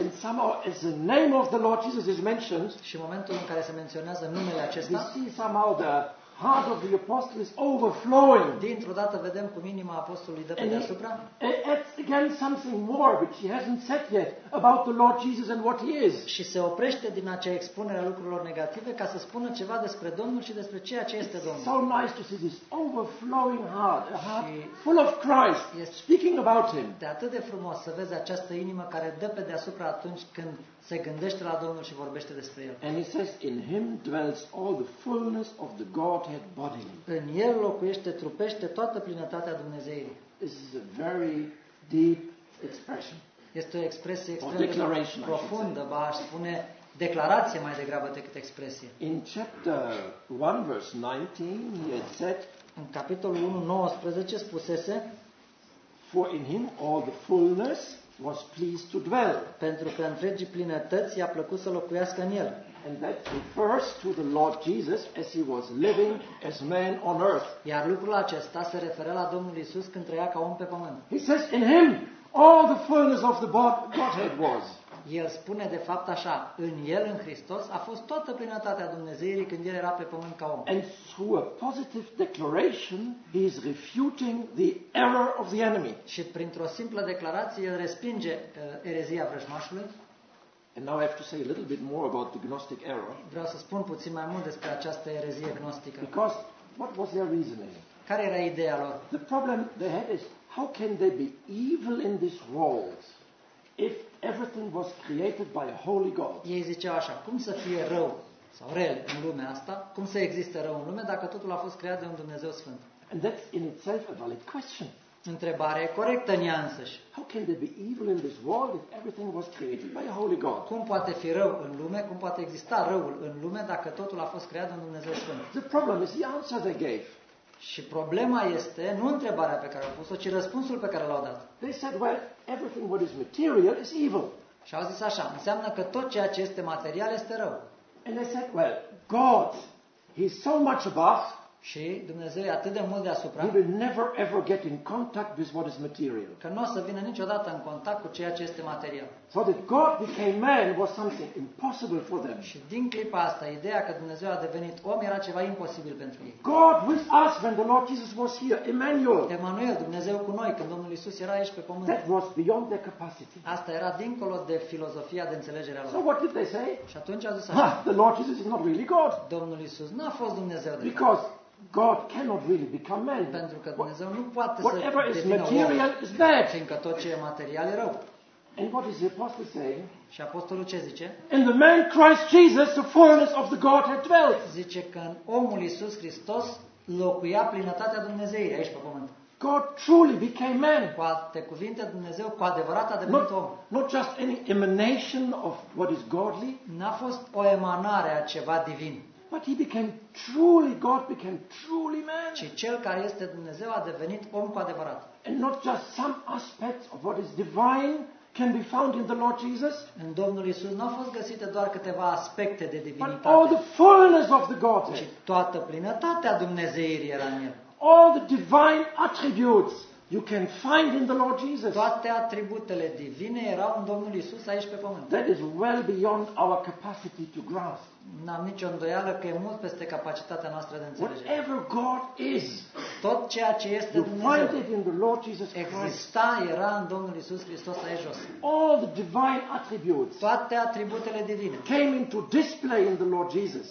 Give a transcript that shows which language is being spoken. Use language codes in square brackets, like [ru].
[en] And somehow as the name of the Lord Jesus is mentioned. [ro] Și momentul în care se menționează numele acesta. [en] This is somehow the heart of the apostle is overflowing. [ro] Dintr-o dată vedem cum inima apostolului dă pe deasupra. [en] It's again something more which he hasn't said yet about the Lord Jesus and what he is. [ro] Și se oprește din acea expunere a lucrurilor negative ca să spună ceva despre Domnul și despre ceea ce este Domnul. [en] So nice to see this overflowing heart, a heart full of Christ, speaking about him. [ro] De atât de frumos să vezi această inimă care dă pe deasupra atunci când se gândește la Domnul și vorbește despre el. [en] And he says, in him dwells all the fullness of the Godhead bodily. [ro] În el locuiește, trupește toată plinătatea Dumnezeirii. [en] This is a very deep expression. [ro] Este o expresie extrem de profundă, ba aș spune declarație mai degrabă decât expresie. [en] In chapter 1 verse 19 he had said, [ro] în capitolul 1 19 spusese, [en] for in him all the fullness was pleased to dwell. [ro] Pentru că întregii plinătăți i-a plăcut să locuiască în el. [en] And that refers to the Lord Jesus as he was living as man on earth. [ro] Iar lucrul acesta se referă la Domnul Iisus când trăia ca om pe pământ. [en] He says in him all the fullness of the Godhead was. [ro] El spune de fapt așa, în el, în Hristos, a fost toată plinătatea Dumnezeirii când el era pe pământ ca om. [en] And through a positive declaration, he is refuting the error of the enemy. [ro] Și printr-o simplă declarație, el respinge erezia vrăjmașului. [en] And now I have to say a little bit more about the Gnostic error. [ro] Vreau să spun puțin mai mult despre această erezie gnostică. [en] Because what was their reasoning? [ro] Care era ideea lor? [en] The problem they had is, how can there be evil in this world if everything was created by a holy God? [ro] Ei ziceau așa, cum să fie rău sau rel în lumea asta? Cum să existe rău în lume dacă totul a fost creat de un Dumnezeu sfânt? [en] And that's in itself a valid question. [ro] Întrebare corectă în ea însăși. [en] How can there be evil in this world if everything was created by a holy God? [ro] Cum poate fi rău în lume? Cum poate exista răul în lume dacă totul a fost creat de un Dumnezeu sfânt? [en] The problem is the answer they gave. [ro] Și problema este nu întrebarea pe care au pus-o, ci răspunsul pe care l-au dat. [en] They said, well, everything what is material is evil. [ro] Și au zis așa, înseamnă că tot ceea ce este material este rău. [en] And they said, well, God, he's so much above. [ro] Și Dumnezeu e atât de mult deasupra. [en] He will never ever get in contact with what is material. [ro] Că nu o să vină niciodată în contact cu ceea ce este material. [en] So that God became man was something impossible for them. [ro] Și din clipa asta, ideea că Dumnezeu a devenit om era ceva imposibil pentru ei. [en] God with us when the Lord Jesus was here, Emmanuel. [ro] Emmanuel, Dumnezeu cu noi când Domnul Iisus era aici pe pământ. [en] That was beyond their capacity. [ro] Asta era dincolo de filozofia de înțelegere a lor. [en] So what did they say? [ro] Și atunci au zis, [en] the Lord Jesus is not really God. [ro] Domnul Iisus n-a fost Dumnezeu de fapt. [en] Because God cannot really become man. [ro] Pentru că Dumnezeu nu poate să devină om. [en] Whatever is material is bad. [ro] Fiindcă tot ce e material e rău. [en] And what is the apostle saying? [ro] Și apostolul ce zice? [en] In the man Christ Jesus, the fullness of the Godhead dwelt. [ro] Zice că în omul Iisus Hristos locuia plinătatea Dumnezeirii aici pe pământ. [en] God truly became man. [ro] Cu alte cuvinte, Dumnezeu cu adevărat a devenit om. [en] Not just any emanation of what is godly. [ro] N-a fost o emanare a ceva divin. [en] But he became truly God, became truly man. [ro] Și cel care este Dumnezeu a devenit om cu adevărat. [en] And not just some aspects of what is divine can be found in the Lord Jesus. [ro] În Domnul Iisus nu au fost găsite doar câteva aspecte de divinitate. [en] But all the fullness of the Godhead. [ro] Și toată plinătatea Dumnezeirii era în el. [en] All the divine attributes you can find in the Lord Jesus. [ro] Toate atributele divine erau în Domnul Iisus aici pe pământ. [en] That is well beyond our capacity to grasp. [ro] N-am nicio îndoială că e mult peste capacitatea noastră de înțelegere. [en] Whatever God is, [ro] tot ceea ce este Dumnezeu exista, era în Domnul Iisus Hristos aici jos. [en] All the divine attributes, [ro] toate atributele divine, [en] came into display in the Lord Jesus.